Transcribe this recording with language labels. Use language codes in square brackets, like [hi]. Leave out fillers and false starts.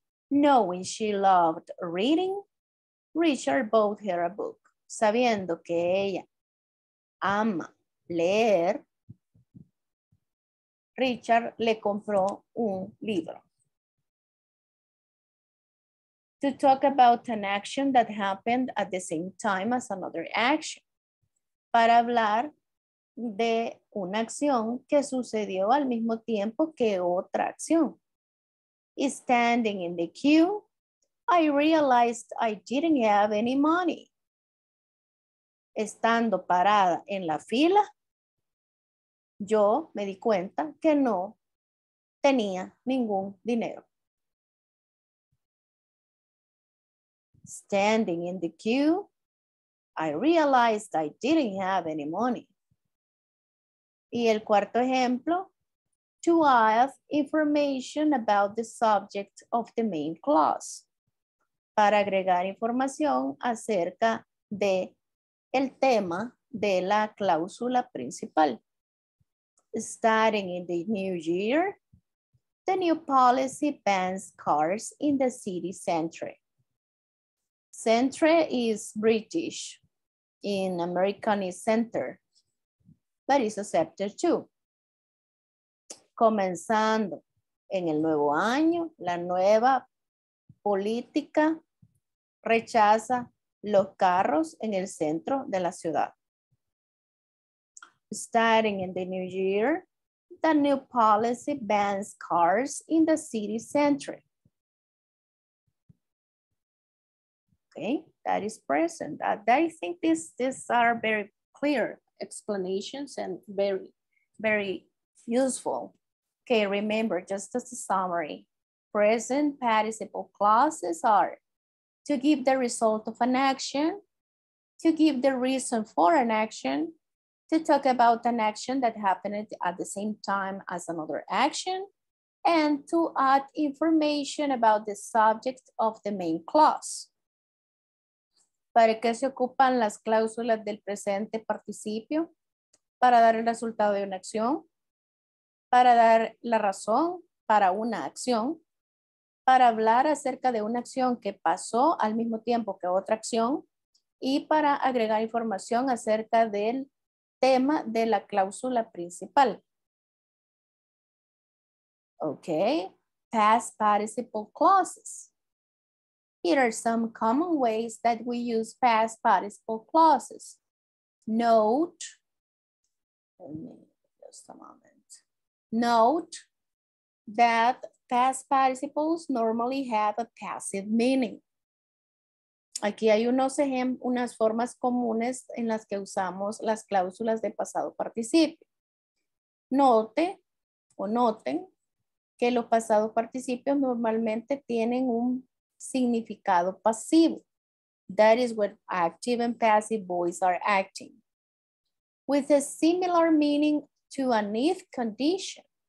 [en] Knowing she loved reading, Richard bought her a book. [es] Sabiendo que ella ama leer, Richard le compró un libro. [en] To talk about an action that happened at the same time as another action. [es] Para hablar de una acción que sucedió al mismo tiempo que otra acción. [en] Standing in the queue, I realized I didn't have any money. [es] Estando parada en la fila, yo me di cuenta que no tenía ningún dinero. [en] Standing in the queue, I realized I didn't have any money. [es] Y el cuarto ejemplo, [en] to ask information about the subject of the main clause. [es] Para agregar información acerca de el tema de la cláusula principal. [en] Starting in the new year, the new policy bans cars in the city center. Center is British, in American is center. But it's accepted too. [es] Comenzando en el nuevo año, la nueva política rechaza los carros en el centro de la ciudad. [en] Starting in the new year, the new policy bans cars in the city center. Okay, that is present. I think these are very clear explanations and very, very useful. Okay, remember, just as a summary, present participle clauses are to give the result of an action, to give the reason for an action, to talk about an action that happened at the same time as another action, and to add information about the subject of the main clause. [es] ¿Para qué se ocupan las cláusulas del presente participio? Para dar el resultado de una acción, para dar la razón para una acción, para hablar acerca de una acción que pasó al mismo tiempo que otra acción y para agregar información acerca del tema de la cláusula principal. [en] Ok, past participle clauses. Here are some common ways that we use past participle clauses. Note, just a moment. Note that past participles normally have a passive meaning. [es] aquí hay unos unas formas comunes en las que usamos las cláusulas de pasado participio. Note o noten que los pasados participios normalmente tienen un significado pasivo. [en] That is where active and passive voice are acting. With a similar meaning to an if condition.